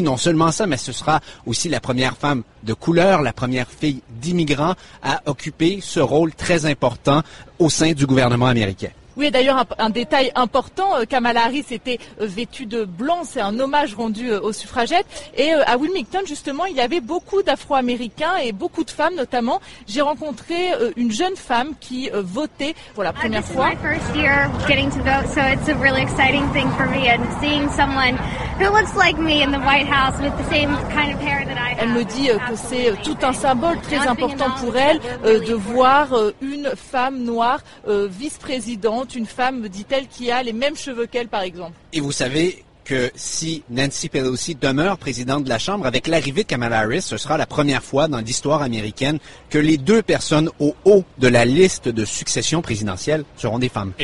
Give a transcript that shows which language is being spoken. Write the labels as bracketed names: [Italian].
[French] Non seulement ça, mais ce sera aussi la première femme de couleur, la première fille d'immigrant à occuper ce rôle très important au sein du gouvernement américain. Oui, d'ailleurs, un détail important, Kamala Harris était vêtue de blanc, c'est un hommage rendu aux suffragettes. Et à Wilmington, justement, il y avait beaucoup d'Afro-Américains et beaucoup de femmes, notamment. J'ai rencontré une jeune femme qui votait pour la première fois. [English] This is my first year getting to vote, so it's a really exciting thing for me. And seeing someone who looks like me in the White House with the same kind of hair that I have. [French] Elle me dit que c'est tout un symbole très important pour elle de voir une femme noire vice-présidente. Une femme, me dit-elle, qui a les mêmes cheveux qu'elle, par exemple. Et vous savez que si Nancy Pelosi demeure présidente de la Chambre, avec l'arrivée de Kamala Harris, ce sera la première fois dans l'histoire américaine que les deux personnes au haut de la liste de succession présidentielle seront des femmes.